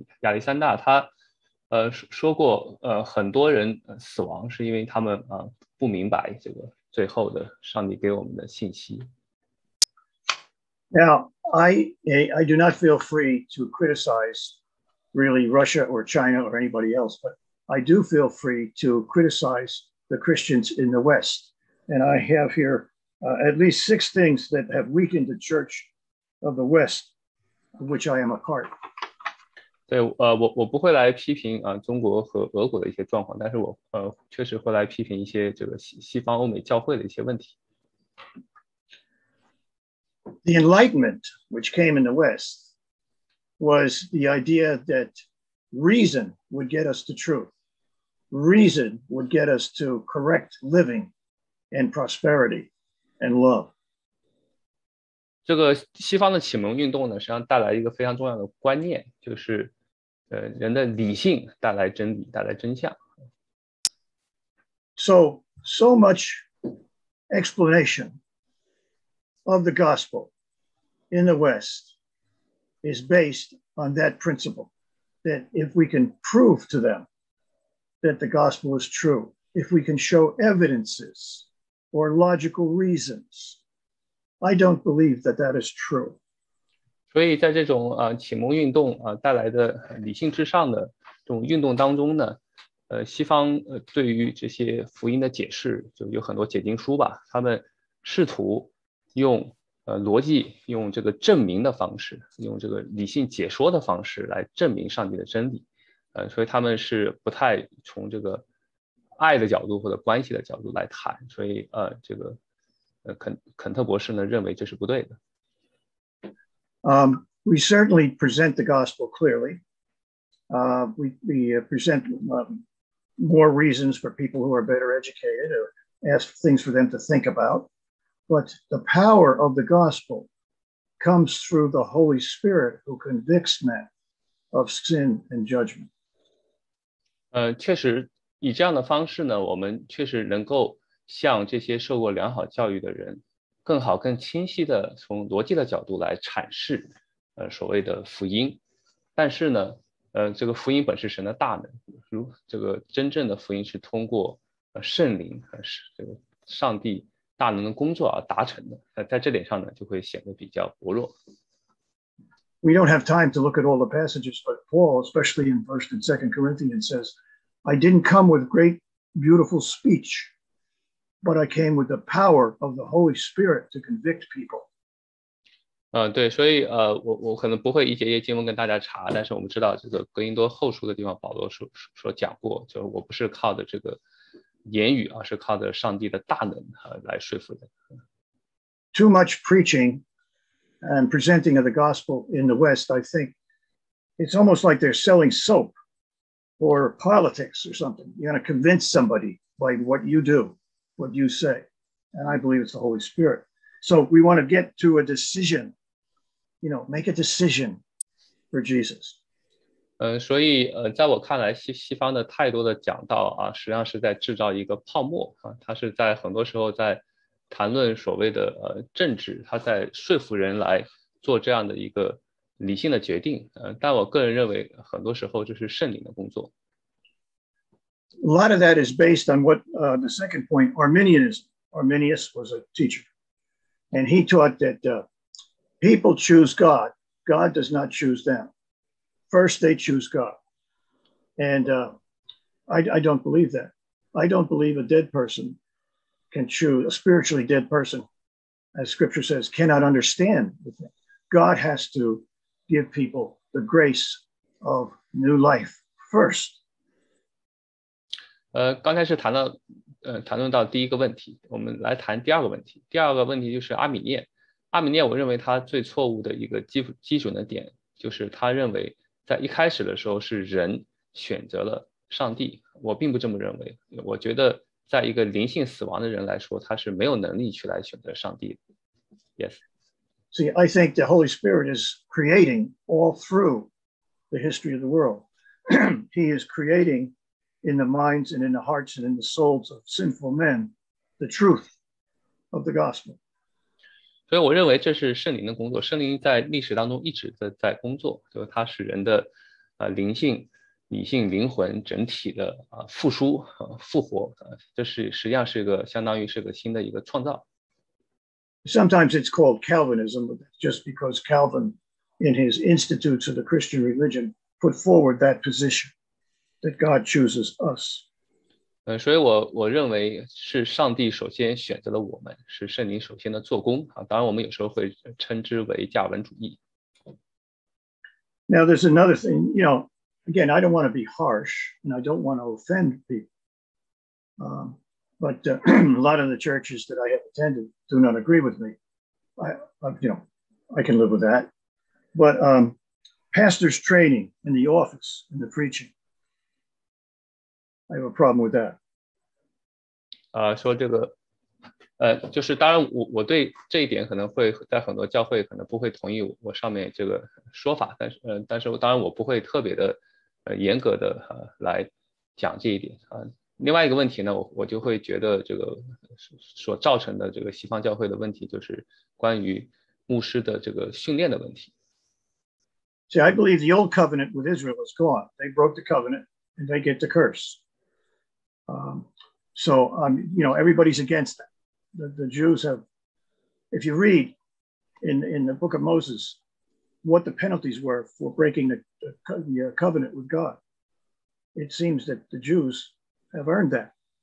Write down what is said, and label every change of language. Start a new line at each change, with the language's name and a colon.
Chinese: 亚历山大他，说过，很多人死亡是因为他们不明白这个最后的上帝给我们的信息。
English: Now, I do not feel free to criticize really Russia or China or anybody else, but I do feel free to criticize the Christians in the West. And I have here at least six things that have weakened the Church of the West, of which I am a part.
Chinese: 对，我不会来批评中国和俄国的一些状况，但是我确实会来批评一些这个西方欧美教会的一些问题。
English: The Enlightenment, which came in the West, was the idea that reason would get us to truth. Reason would get us to correct living and prosperity and love.
Chinese: 这个西方的启蒙运动呢，实际上带来一个非常重要的观念，就是人的理性带来真理，带来真相。
English: So much explanation of the gospel in the West is based on that principle, that if we can prove to them that the gospel is true, if we can show evidences or logical reasons, I don't believe that that is true.
Chinese: 所以在这种启蒙运动带来的理性至上的这种运动当中呢，西方对于这些福音的解释，就有很多解经书吧，他们试图用逻辑，用这个证明的方式，用这个理性解说的方式来证明上帝的真理，所以他们是不太从这个爱的角度或者关系的角度来谈，所以这个肯特博士呢认为这是不对的。
English: We certainly present the gospel clearly. We present more reasons for people who are better educated or ask things for them to think about. But the power of the gospel comes through the Holy Spirit who convicts men of sin and judgment.
Chinese: 确实以这样的方式呢，我们确实能够向这些受过良好教育的人更好更清晰的从逻辑的角度来阐释所谓的福音。但是呢这个福音本是神的大能，如这个真正的福音是通过圣灵和这个上帝大能的工作而达成的，在这点上呢就会显得比较薄弱。
English: We don't have time to look at all the passages, but Paul, especially in 1st and 2nd Corinthians, says, I didn't come with great, beautiful speech, but I came with the power of the Holy Spirit to convict people.
Chinese: 对，所以我可能不会一节节经文跟大家查，但是我们知道这个格林多后书的地方保罗所讲过，就是我不是靠的这个言语，而是靠着上帝的大能来说服人。
English: Too much preaching and presenting of the gospel in the West, I think it's almost like they're selling soap or politics or something. You're going to convince somebody by what you do, what you say. And I believe it's the Holy Spirit. So we want to get to a decision, you know, make a decision for Jesus.
Chinese: 所以在我看来西方的太多的讲道实际上是在制造一个泡沫它是在很多时候在谈论所谓的政治，它在说服人来做这样的一个理性的决定，但我个人认为很多时候就是圣灵的工作。
English: A lot of that is based on what the second point, Arminius was a teacher, and he taught that people choose God, God does not choose them. First, they choose God. And I don't believe that. I don't believe a dead person can choose, a spiritually dead person, as scripture says, cannot understand the thing. God has to give people the grace of new life first.
Chinese: 刚才是谈到，谈论到第一个问题，我们来谈第二个问题。第二个问题就是阿米涅。阿米涅，我认为他最错误的一个基准的点，就是他认为在一开始的时候是人选择了上帝。我并不这么认为，我觉得在一个灵性死亡的人来说，他是没有能力去来选择上帝的。
English: Yes. See, I think the Holy Spirit is creating all through the history of the world. He is creating in the minds and in the hearts and in the souls of sinful men the truth of the gospel.
Chinese: 所以我认为这是圣灵的工作，圣灵在历史当中一直在工作，就是他使人的灵性、理性、灵魂整体的复苏、复活，这是实际上是一个相当于是个新的一个创造。
English: Sometimes it's called Calvinism, just because Calvin in his Institutes of the Christian Religion put forward that position that God chooses us.
Chinese: 所以我认为是上帝首先选择了我们，是圣灵首先的做工，当然我们有时候会称之为加尔文主义。
English: Now there's another thing, you know, again, I don't want to be harsh, and I don't want to offend people, but a lot of the churches that I have attended do not agree with me. I can live with that. But pastor's training in the office, in the preaching,I have a problem with that.
Chinese: 说这个，就是当然我对这一点可能会在很多教会可能不会同意我上面这个说法，但是当然我不会特别的严格的来讲这一点。另外一个问题呢，我就会觉得这个所造成的这个西方教会的问题，就是关于牧师的这个训练的问题。
English: See, I believe the old covenant with Israel is gone. They broke the covenant and they get the curse. You know, everybody's against that. The Jews have, if you read in the book of Moses, what the penalties were for breaking the covenant with God, it seems that the Jews have earned that.